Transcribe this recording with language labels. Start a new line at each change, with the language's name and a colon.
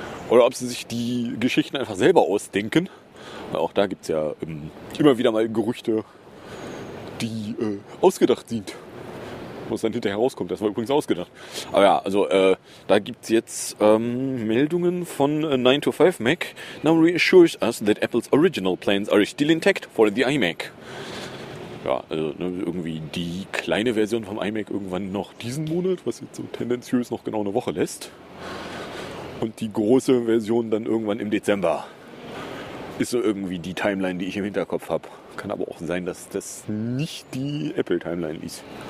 German: Oder ob sie sich die Geschichten einfach selber ausdenken. Weil auch da gibt es ja immer wieder mal Gerüchte, die ausgedacht sind. Was dann hinterher rauskommt, das war übrigens ausgedacht. Aber ja, also da gibt es jetzt Meldungen von 9to5Mac.
English: Now reassures us that Apple's original plans are still intact for the iMac.
German: Ja, also ne, irgendwie die kleine Version vom iMac irgendwann noch diesen Monat, was jetzt so tendenziös noch genau eine Woche lässt. Und die große Version dann irgendwann im Dezember. Ist so irgendwie die Timeline, die ich im Hinterkopf habe. Kann aber auch sein, dass das nicht die Apple-Timeline ist.